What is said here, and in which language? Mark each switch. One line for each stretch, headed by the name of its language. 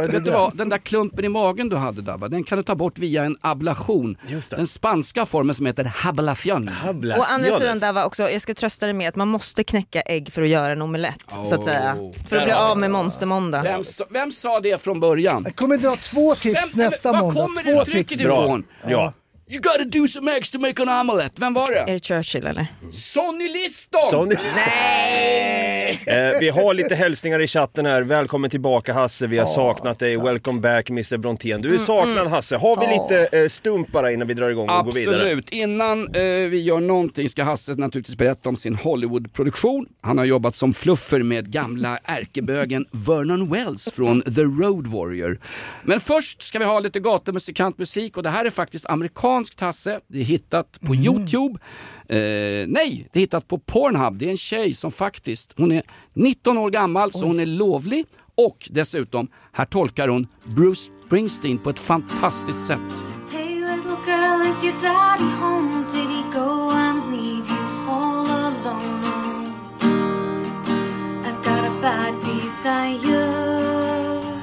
Swedish: Ja, vet du vad? Den där klumpen i magen du hade, Davva, den kan du ta bort via en ablation. Just det. Den spanska formen som heter hablación. Och andra sidan, Davva, också. Jag ska trösta dig med att man måste knäcka ägg för att göra en omelett, så att säga. För att bli av med monstermåndag. Vem sa det från början? Jag kommer dra två tips nästa måndag. Vad kommer det trycket ifrån? Ja.
English: You gotta do some eggs to make an omelette.
Swedish: Vem var det? Är det Churchill eller? Sonny Liston! Nej! Vi har lite hälsningar i chatten här. Välkommen tillbaka, Hasse. Vi har saknat dig. Tack.
English: Welcome back, Mr. Brontén.
Swedish: Du är saknad, Hasse. Har vi lite stumpar innan vi drar igång och absolut går vidare? Absolut. Innan vi gör någonting ska Hasse naturligtvis berätta om sin Hollywood-produktion. Han har jobbat som fluffer med gamla ärkebögen Vernon Wells från The Road Warrior. Men först ska vi ha lite gatumusikantmusik. Och det här är faktiskt amerikansk. Tasse, det är hittat på YouTube. Nej, det är hittat på Pornhub. Det är en tjej som faktiskt, hon är 19 år gammal. Oj. Så hon är lovlig. Och dessutom, här tolkar hon Bruce Springsteen på ett fantastiskt sätt.
English: Hey little girl, is your daddy home? Did he go and leave you all alone? I got a bad desire.